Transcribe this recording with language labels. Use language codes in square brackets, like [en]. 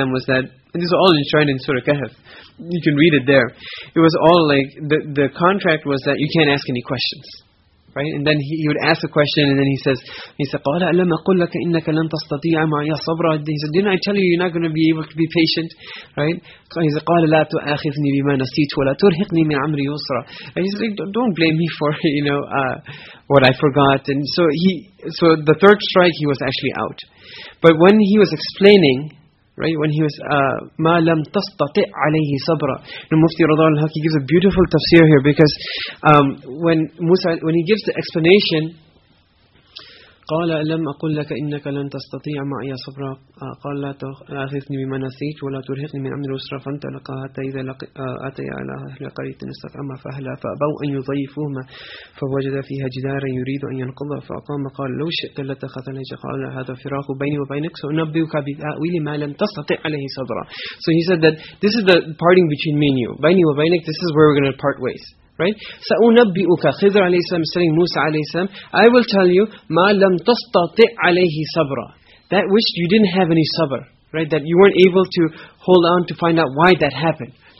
[en] was that, and this is all enshrined in Surah Kahf. You can read it there. It was all like, the contract was that you can't ask any questions. Right? And then he would ask a question, and then he says, [ar] قَالَ أَلَمْ أَقُلْ لَكَ إِنَّكَ لَنْ تَسْتَطِيعَ مَعِيَ صَبْرًا. [en] He said, didn't I tell you you're not going to be able to be patient? Right? He said, [ar] قَالَ لَا تُؤَاخِذْنِي بِمَا نَسِيتُ وَلَا تُرْهِقْنِي مِنْ عَمْرِ يُسْرًا. [en] And he said, don't blame me for, you know, what I forgot. And so the third strike, he was actually out. But when he was explaining, right, when he was [ar] مَا لَمْ تَسْتَطِعْ عَلَيْهِ صَبْرًا. [en] And Mufti [ar] رَضَى اللَّهُ عَنْهُ, [en] he gives a beautiful tafsir here, because when Musa, when he gives the explanation, [ar] قَالَ أَلَمْ أَقُلْ لَكَ إِنَّكَ لَنْ تَسْتَطِيعَ مَعِيَ صَبْرًا قَالَ لَا تُؤَاخِذْنِي بِمَا نَسِيتُ وَلَا تُرْهِقْنِي مِنْ أَمْرِ يُسْرًا فَانْتَلَقَا حَتَّى إِذَا أَتَيَا عَلَى أَهْلِ قَرْيَةٍ اسْتَطْعَمَا فَأَهْلَهَا فَأَبَوْا أَنْ يُضَيِّفُوهُمَا فَوَجَدَا فِيهَا جِدَارًا يُرِيدُ أَنْ يَنْقُضَّ فَأَقَامَ قَالَ لَوْ شِئْتَ لَاتَّخَذْتَ عَلَيْهِ صَبْرًا قَالَ هَذَا فِرَاقُ بَيْنِي وَبَيْنَكَ سَأُنَبِّئُكَ بِتَأْوِيلِ مَا لَمْ تَسْتَطِعْ عَلَيْهِ صَبْرًا. [en] So he said that this is the parting between me and you. [ar] بَيْنِي وَبَيْنَكَ, [en] this is where we're going to part ways. Right? [ar] سَأُنَبِّئُكَ, خِضْرَ عَلَيْهِ سَلَامُ, [en] saying Musa [ar] عَلَيْهِ سَلَامُ, [en] I will tell you, [ar] مَا لَمْ تَسْتَطِعْ عَلَيْهِ صَبْرًا, [en] that which you didn't have any sabr, right? That you weren't able to hold on to find out why that happened.